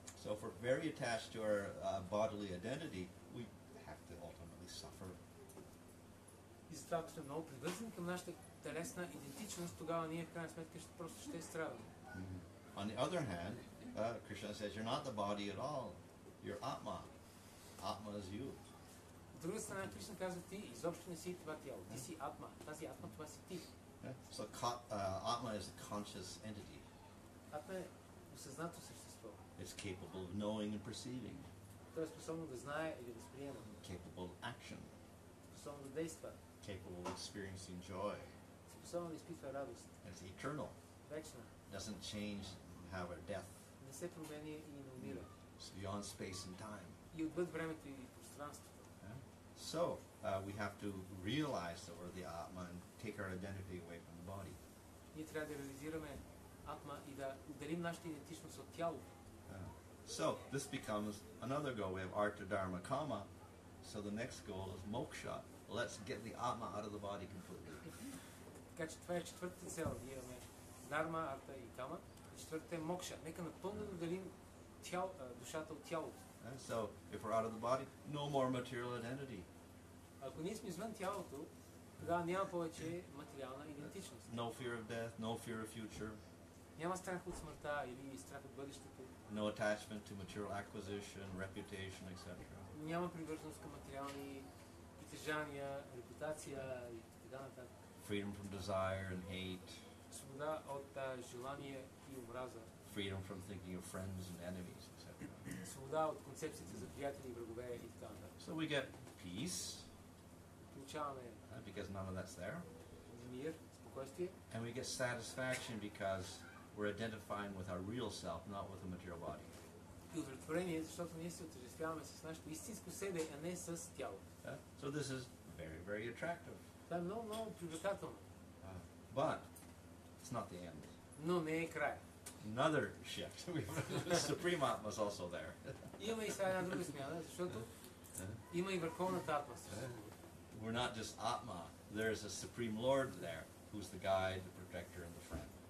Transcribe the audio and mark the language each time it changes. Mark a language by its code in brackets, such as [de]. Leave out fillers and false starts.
[en] So if we're very attached to our bodily identity, we have to ultimately suffer. [bg] И затова, като сме много привързани към нашата телесна идентичност, тогава ние в крайна сметка просто ще страдаме. [en] On the other hand, Krishna says, you're not the body at all, you're Atma. Atma is you. [bg] От друга страна, Кришна казва, ти изобщо не си това тяло, ти си Атма, тази Атма, това си ти. [en] So Atma is a conscious entity. [bg] Атма е осъзнато същество. [en] It's capable of knowing and perceiving. [bg] То е способно да знае или да сприема. [en] Capable of action. [bg] Способно да действа. [en] Capable of experiencing joy. [bg] Способно да изпитва радост. [en] It's eternal. [bg] Вечна. [en] Doesn't change, however, death. [bg] Не се промени и не умира. [en] It's beyond space and time. [bg] И отвъд времето и пространството. [en] So, we have to realize that we're the Atma and take our identity away from the body. [bg] Ние трябва да реализираме Атма и да отделим нашата идентичност от тялото. [en] So, this becomes another goal. We have Artha Dharma Kama. So the next goal is Moksha. Let's get the Atma out of the body completely. [bg] Така че това е четвъртата цел. Ние имаме Дарма, Артха и Кама. Четвъртата е Мокша. Нека напълно да отделим душата от тялото. [en] So, if we're out of the body, no more material identity. [bg] Ако ние сме извън тялото, тогава няма повече материална идентичност. [en] No fear of death, no fear of future. [bg] Няма страх от смъртта или страх от бъдещето. [en] No attachment to material acquisition, reputation, etc. [bg] Няма привързаност към материални притежания, репутация и така нататък. [en] Freedom from desire and hate. [bg] Свобода от желание и омраза. [en] Freedom from thinking of friends and enemies, etc. [bg] Свобода от концепциите за приятели и врагове и така нататък. [en] So we get peace. [bg] Получаваме. [en] Because none of that's there. [bg] Мир, спокойствие. [en] And we get satisfaction because we're identifying with our real self, not with the material body. [bg] Удовлетворение, защото ние се отъждествяваме с нашето истинско себе, а не с тялото. [en] So this is very, very attractive. [bg] Това е много, много привлекателно. [en] But it's not the end. [bg] Но не е край. [en] Another shift. Supreme Atma is also there. [bg] Има и сега една друга смяна, защото има и върховната атма. [en] We're not just Atma. There is a Supreme Lord there, who's the guide, the protector, and the friend.